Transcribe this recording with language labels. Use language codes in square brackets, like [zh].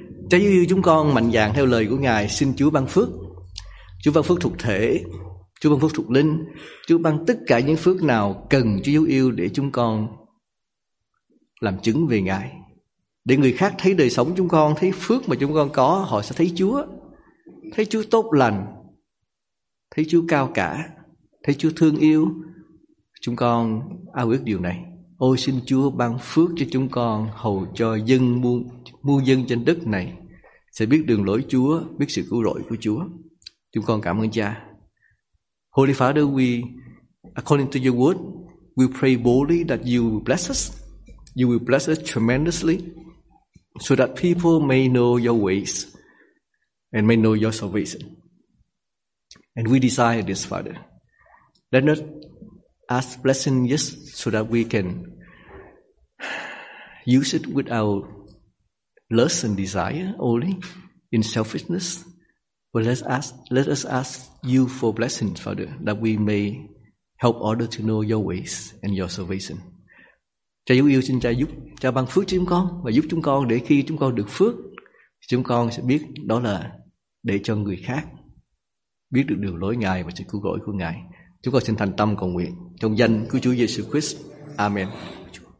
[vi] Trái yêu chúng con mạnh dạn theo lời của Ngài, xin Chúa ban phước. Chúa ban phước thuộc thể, Chúa ban phước thuộc linh, Chúa ban tất cả những phước nào cần Chúa dấu yêu để chúng con làm chứng về Ngài, để người khác thấy đời sống chúng con, thấy phước mà chúng con có, họ sẽ thấy Chúa, thấy Chúa tốt lành, thấy Chúa cao cả, thấy Chúa thương yêu. Chúng con ao ước điều này. Ôi xin Chúa ban phước cho chúng con, hầu cho dân muôn dân trên đất này sẽ biết đường lối Chúa, biết sự cứu rỗi của Chúa. Chúng con cảm ơn Cha. [en] Holy Father, we according to your word, we pray boldly that you will bless us. You will bless us tremendously so that people may know your ways and may know your salvation. And we desire this, Father. Let us ask blessing, yes, so that we can use it with our lust and desire only in selfishness. But let us ask you for blessing, Father, that we may help others to know your ways and your salvation. [vi] Cha dấu yêu xin Cha giúp, Cha ban phước cho chúng con và giúp chúng con để khi chúng con được phước, chúng con sẽ biết đó là để cho người khác biết được đường lối Ngài và sự cứu rỗi của Ngài. Chúng con xin thành tâm cầu nguyện trong danh của Chúa Giêsu Christ. Amen.